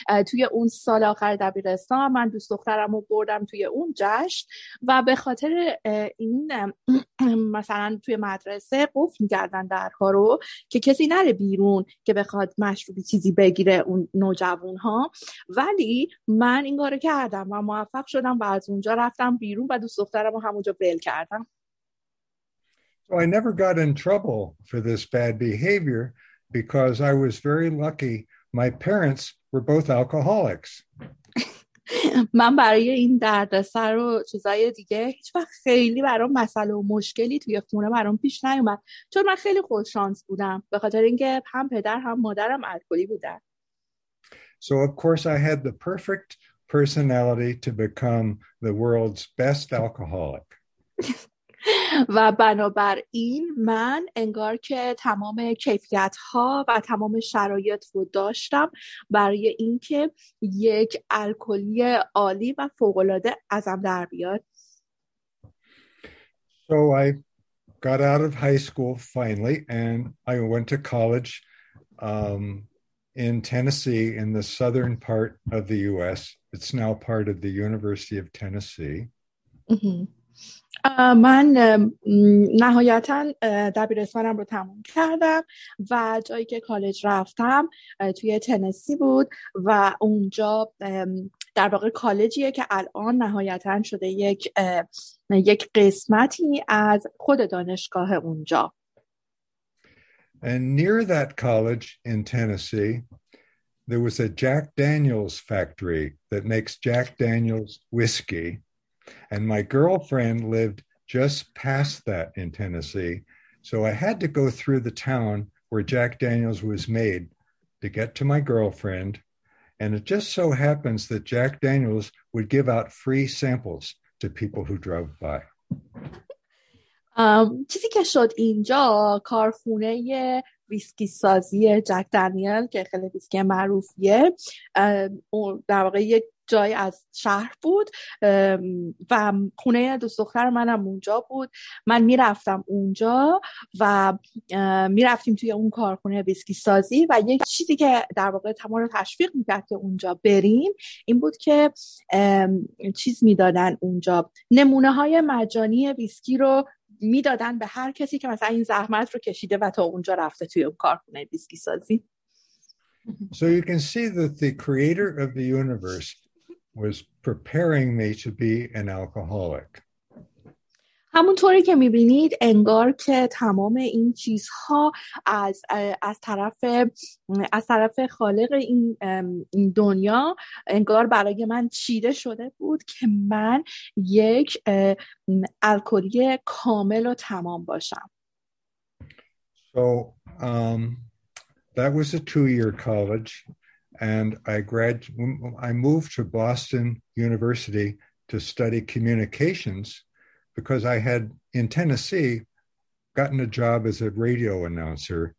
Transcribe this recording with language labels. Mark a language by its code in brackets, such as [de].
[fa] توی اون سال آخر دبیرستان من دوست دخترم رو بردم توی اون جشن و به خاطر این مثلا توی مدرسه قفل می‌کردن درها رو که کسی نره بیرون که بخواد مشروبی چیزی بگیره اون نوجوان‌ها، ولی من این کارو کردم و موفق شدم و از اونجا رفتم بیرون و دوست دخترم رو همونجا بل کردم. [en] So I never got in trouble for this bad behavior because I was very lucky. My parents were both alcoholics. [fa] من برای این دردسر و چیزای دیگه هیچ وقت خیلی برام مسئله و مشکلی توی خونه برام پیش نیومد، چون من خیلی خوش شانس بودم به خاطر اینکه هم پدر هم مادرم الکلی بودن. [en] So of course I had the perfect personality to become the world's best alcoholic. [fa] و بنابراین من انگار که تمام کیفیت‌ها و تمام شرایط رو داشتم برای اینکه یک الکلی عالی و فوق‌العاده ازم در بیاد. [en] So I got out of high school finally and I went to college in Tennessee in the southern part of the US. It's now part of the University of Tennessee. [fa] من نهایتا دبیرستانم رو تموم کردم و جایی که کالج رفتم توی تنسی بود و اونجا در واقع کالجیه که الان نهایتا شده یک قسمتی از خود دانشگاه اونجا. [en] And near that college in Tennessee there was a Jack Daniel's factory that makes Jack Daniel's whiskey. And my girlfriend lived just past that in Tennessee. So I had to go through the town where Jack Daniel's was made to get to my girlfriend. And it just so happens that Jack Daniel's would give out free samples to people who drove by. [fa] چیزی که شد اینجا کارخونه ویسکی سازی جک دانیل که خیلی ویسکی معروفیه، در واقع یک جای از شهر بود و خونه دوست دختر منم اونجا بود. من میرفتم اونجا و میرفتیم توی اون کارخونه ویسکی سازی و یک چیزی که در واقع تمام رو تشویق میکرد که اونجا بریم این بود که چیز میدادن اونجا، نمونه های مجانی ویسکی رو میدادن به هر کسی که مثلا این زحمت رو کشیده و تا اونجا رفته توی اون کارخونه ویسکی سازی. [en] So you can see that the creator of the universe was preparing me to be an alcoholic. [fa] همونطوری که میبینید انگار که تمام این چیزها از طرف خالق این دنیا انگار برای من چیده شده بود که من یک الکلی کامل و تمام باشم. [en] So that was a two-year college and I moved to Boston University to study communications. Because I had, in Tennessee, gotten a job as a radio announcer.